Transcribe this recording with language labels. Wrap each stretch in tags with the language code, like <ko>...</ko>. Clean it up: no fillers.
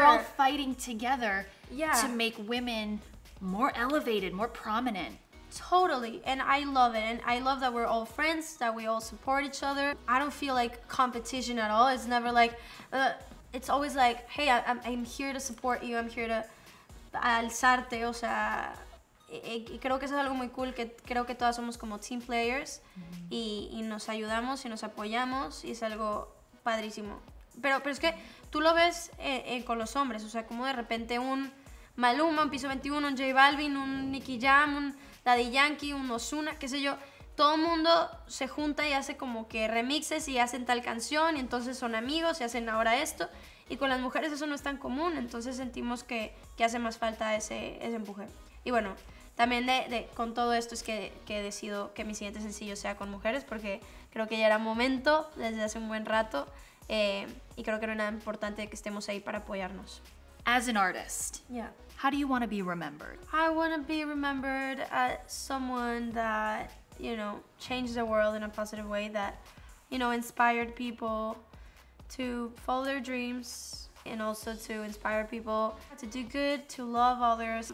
<en>You're all fighting together to make women more elevated, more prominent. Totally, and I love it. And I love that we're all friends, that we all support each other. I don't feel like competition at all. It's never like, it's always like, hey, I'm here to support you. I'm here to</en> <es>alzarte, o sea. Y creo que eso es algo muy cool, que creo que todas somos como</es> <en>team players</en> <es>y nos ayudamos y nos apoyamos y es algo padrísimo. Pero es que tú lo ves con los hombres, o sea, como de repente un Maluma, un Piso 21, un J Balvin, un Nicky Jam, un Daddy Yankee, un Ozuna, qué sé yo. Todo el mundo se junta y hace como que remixes y hacen tal canción y entonces son amigos y hacen ahora esto. Y con las mujeres eso no es tan común, entonces sentimos que hace más falta ese empuje. Y bueno, también con todo esto es que decido que mi siguiente sencillo sea con mujeres, porque creo que ya era momento desde hace un buen rato y creo que no es nada importante que estemos ahí para apoyarnos.</es> <en>As an artist, how do you want to be remembered? I want to be remembered as someone that, you know, changed the world in a positive way, that, you know, inspired people to follow their dreams and also to inspire people to do good, to love others.</en>